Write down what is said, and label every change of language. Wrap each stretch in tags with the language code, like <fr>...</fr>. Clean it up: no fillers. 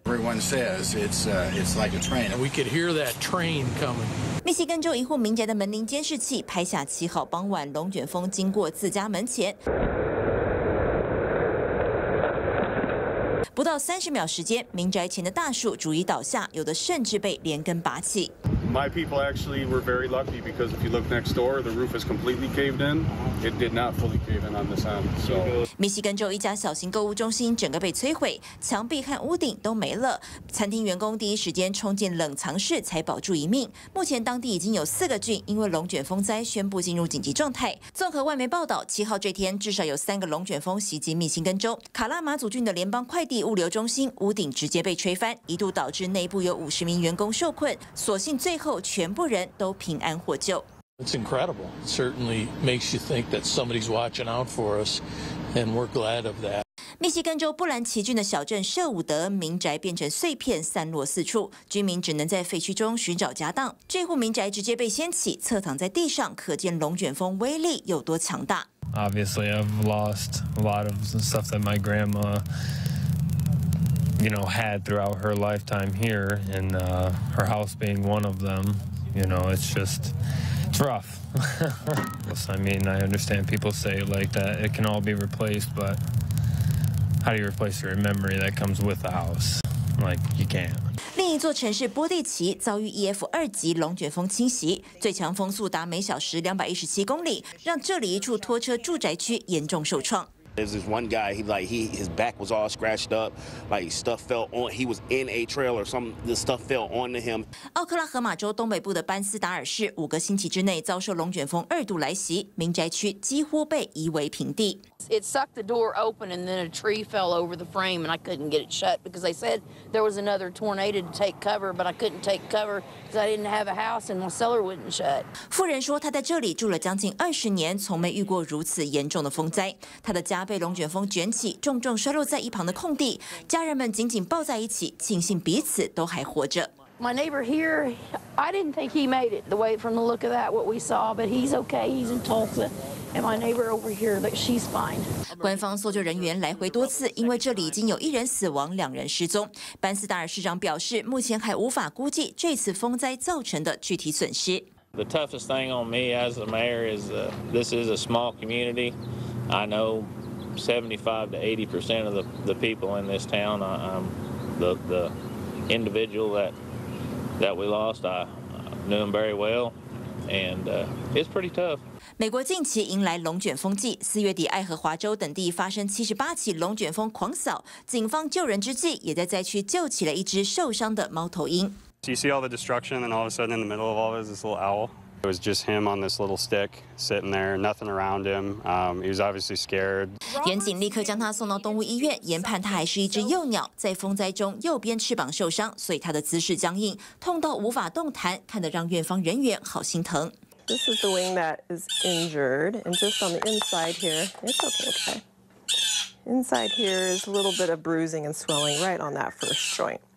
<en>Everyone says it's like a train. We could hear that train coming.</en> <zh>密西根州一户民宅的门铃监视器拍下7号傍晚龙卷风经过自家门前，不到30秒时间，民宅前的大树逐一倒下，有的甚至被连根拔起。</zh> <en>My people actually were very lucky because if you look next door, the roof is completely caved in. It did not fully cave in on this end. So,</en> <zh>Michigan 州一家小型购物中心整个被摧毁，墙壁和屋顶都没了。餐厅员工第一时间冲进冷藏室才保住一命。目前当地已经有四个郡因为龙卷风灾宣布进入紧急状态。综合外媒报道，七号这天至少有三个龙卷风袭击密歇根州。卡拉马祖郡的联邦快递物流中心屋顶直接被吹翻，一度导致内部有50名员工受困。所幸最后全部人都平安获救。</zh> <en>It's incredible. It certainly makes you think that somebody's watching out for us, and we're glad of that.</en> <zh>密歇根州布兰奇郡的小镇舍伍德民宅变成碎片散落四处，居民只能在废墟中寻找家当。这户民宅直接被掀起，侧躺在地上，可见龙卷风威力有多强大。</zh> <en>Obviously, I've lost a lot of stuff that my grandma, you know, had throughout her lifetime here, and her house being one of them. You know, it's just, it's rough. I mean, I understand people say like that it can all be replaced, but. How do you replace your memory that comes with the house? Like, you can't.</en> <zh>另一座城市波地奇遭遇 EF 二级龙卷风侵袭，最强风速达每小时217公里，让这里一处拖车住宅区严重受创。</zh> <en>There's this one guy. He like he his back was all scratched up, like stuff fell on. He was in a trailer. Some the stuff fell onto him.</en> <zh>奥克拉荷马州东北部的班斯达尔市五个星期之内遭受龙卷风二度来袭，民宅区几乎被夷为平地。</zh> <en>It sucked the door open, and then a tree fell over the frame, and I couldn't get it shut because they said there was another tornado to take cover, but I couldn't take cover because I didn't have a house and my cellar wouldn't shut.</en> <zh>妇人说，她在这里住了将近20年，从没遇过如此严重的风灾。她的家。被龙卷风卷起，重重摔落在一旁的空地，家人们紧紧抱在一起，庆幸彼此都还活着。</zh> <en>My neighbor here, I didn't think he made it the way from the look of that what we saw, but he's okay. He's in Tulsa, and my neighbor over here, but she's fine.</en> <zh>官方搜救人员来回多次，因为这里已经有一人死亡，两人失踪。班斯达尔市长表示，目前还无法估计这次风灾造成的具体损失。</zh> <en>The toughest thing on me as the mayor is this is a small community. I know. 75% to 80% of the people in this town, the individual that we lost, I knew him very well, and it's pretty tough.</en> <zh>美国近期迎来龙卷风季，四月底爱荷华州等地发生78起龙卷风狂扫，警方救人之际，也在灾区救起了一只受伤的猫头鹰。</zh> <en>Do you see all the destruction, and all of a sudden, in the middle of all this little owl? It was just him on this little stick, sitting there, nothing around him. He was obviously scared.</en> <zh>远警立刻将他送到动物医院，研判他还是一只幼鸟，在风灾中右边翅膀受伤，所以他的姿势僵硬，痛到无法动弹，看得让院方人员好心疼。</zh> <en>This is the wing that is injured, and just on the inside here, it's okay, okay. Inside here is a little bit of bruising and swelling right on that first joint.</en>